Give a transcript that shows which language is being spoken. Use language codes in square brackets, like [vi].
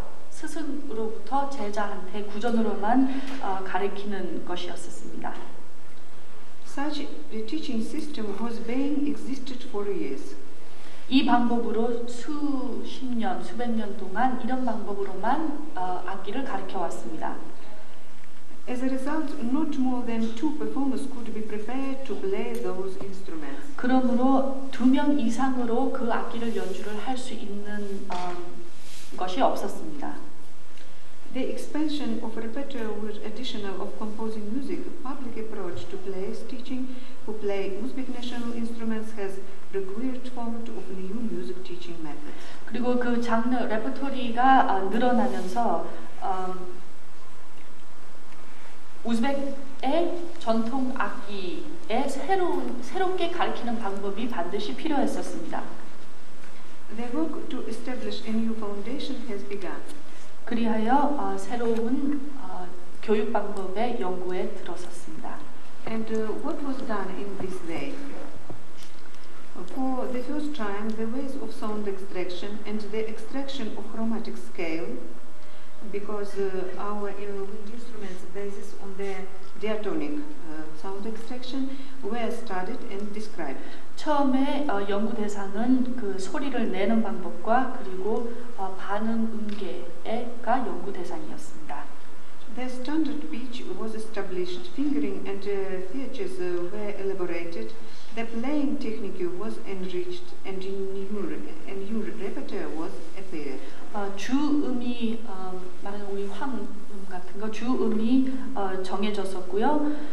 [ko] 스승으로부터 제자한테 구전으로만 가르치는 것이었습니다. [en] Such the teaching system was being existed for years. [ko] 이 방법으로 수십 년, 수백 년 동안 이런 방법으로만 악기를 가르쳐 왔습니다. [en] As a result, not more than two performers could be prepared to play those instruments. [ko] 그러므로 두 명 이상으로 그 악기를 연주를 할 수 있는 것이 없었습니다. [en] The expansion of repertoire with additional of composing music, public approach to plays, teaching who play Uzbek national instruments has required format of new music teaching methods. [ko] 그리고 그 장르 레퍼토리가 늘어나면서 우즈벡의 전통 악기에 새롭게 가르치는 방법이 반드시 필요했었습니다. [en] The work to establish a new foundation has begun. [ko] 그리하여 새로운 교육 방법의 연구에 들어섰습니다. [en] And what was done in this way? For the first time, the ways of sound extraction and the extraction of chromatic scale, because our wind instruments basis on the diatonic sound extraction, were studied and described. [ko] 처음에 연구 대상은 그 소리를 내는 방법과 그리고 반응 음계가 연구 대상이었습니다. [en] The standard pitch was established, fingering and features were elaborated. The playing technique was enriched and a new repertoire was appeared. [ko] 주음이 말하는 우리 황음 같은 거 주음이 정해졌었고요.